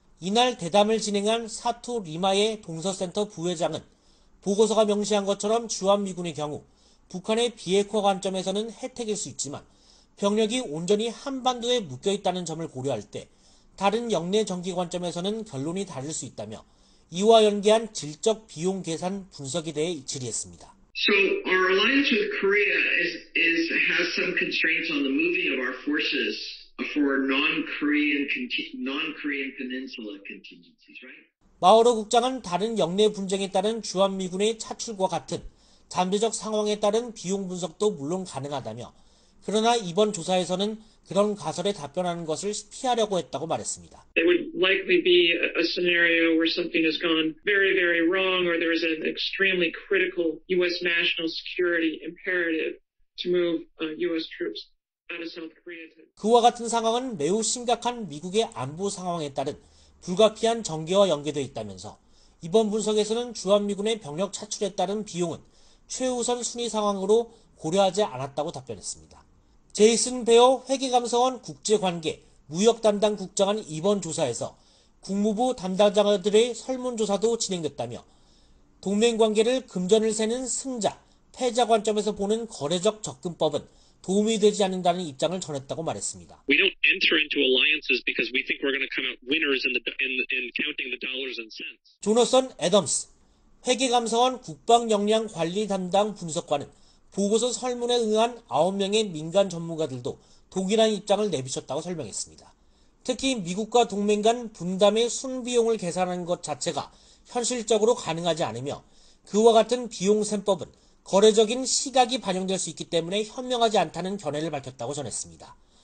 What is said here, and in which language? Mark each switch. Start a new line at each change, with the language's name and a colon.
Korean: 이날 대담을 진행한 사토 리마의 동서센터 부회장은 보고서가 명시한 것처럼 주한미군의 경우 북한의 비핵화 관점에서는 혜택일 수 있지만 병력이 온전히 한반도에 묶여있다는 점을 고려할 때 다른 영내 정기 관점에서는 결론이 다를 수 있다며 이와 연계한 질적 비용 계산 분석에 대해 질의했습니다.
English: So our alliance with Korea has some constraints on the moving of our forces for non-Korean peninsula contingencies, right?
Korean: 마오로 국장은 다른 영내 분쟁에 따른 주한미군의 차출과 같은 잠재적 상황에 따른 비용 분석도 물론 가능하다며 그러나 이번 조사에서는 그런 가설에 답변하는 것을 피하려고 했다고 말했습니다.
English: It would likely be a scenario where something has gone very, very wrong or there is an extremely critical U.S. national security imperative to move U.S. troops out of South Korea.
Korean: 그와 같은 상황은 매우 심각한 미국의 안보 상황에 따른 불가피한 전개와 연계되어 있다면서 이번 분석에서는 주한미군의 병력 차출에 따른 비용은 최우선 순위 상황으로 고려하지 않았다고 답변했습니다. 제이슨 베어 회계감사원 국제관계 무역담당 국장은 이번 조사에서 국무부 담당자들의 설문조사도 진행됐다며 동맹관계를 금전을 세는 승자, 패자 관점에서 보는 거래적 접근법은 도움이 되지 않는다는 입장을 전했다고 말했습니다.
English: We don't enter into alliances because we think we're going to come out winners in counting the dollars and cents.
Korean: 조너선 애덤스 회계감사원 국방역량관리담당 분석관은 보고서 설문에 응한 9명의 민간 전문가들도 동일한 입장을 내비쳤다고 설명했습니다. 특히 미국과 동맹 간 분담의 순비용을 계산하는 것 자체가 현실적으로 가능하지 않으며 그와 같은 비용 셈법은 거래적인 시각이 반영될 수 있기 때문에 현명하지 않다는 견해를 밝혔다고 전했습니다.